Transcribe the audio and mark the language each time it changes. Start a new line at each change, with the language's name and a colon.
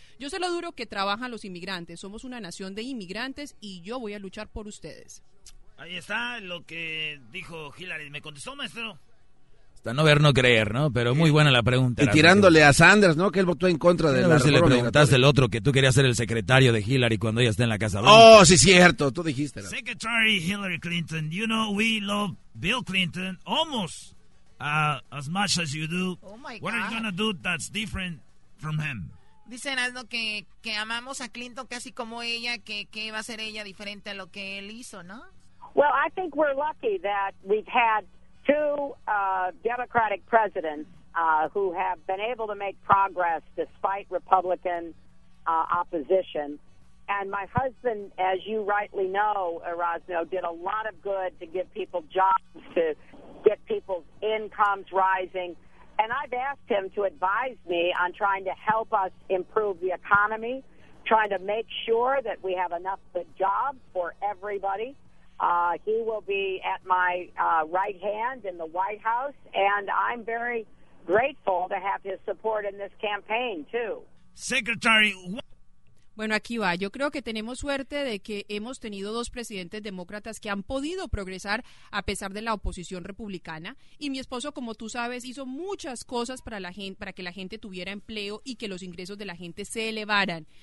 Spanish: Yo sé lo duro que trabajan los inmigrantes. Somos una nación de inmigrantes y yo voy a luchar por ustedes. Ahí está lo que dijo Hillary. ¿Me contestó, maestro? Hasta no ver, no creer, ¿no? Pero muy buena la pregunta. Y tirándole a Sanders, ¿no? Que él votó en contra de la reforma. A ver si le preguntaste el otro, que tú querías ser el secretario de Hillary cuando ella está en la Casa Blanca. ¡Oh, sí, cierto! Tú dijiste, ¿no?
English: Secretary Hillary Clinton, you know, we love Bill Clinton almost as much as you do. Oh, my God. What are you gonna do that's different from him?
Spanish: Dicen algo que amamos a Clinton casi como ella, que va a ser ella diferente a lo que él hizo, ¿no?
English: Well, I think we're lucky that we've had two Democratic presidents who have been able to make progress despite Republican opposition. And my husband, as you rightly know, Erasmo, did a lot of good to give people jobs, to get people's incomes rising. And I've asked him to advise me on trying to help us improve the economy, trying to make sure that we have enough good jobs for everybody. He will be at my right hand in the White House, and I'm very grateful to have his support in this campaign, too. Secretary.
Spanish: Bueno, aquí va. Yo creo que tenemos suerte de que hemos tenido dos presidentes demócratas que han podido progresar a pesar de la oposición republicana. Y mi esposo, como tú sabes, hizo muchas cosas para la gente, para que la gente tuviera empleo y que los ingresos de la gente se elevaran.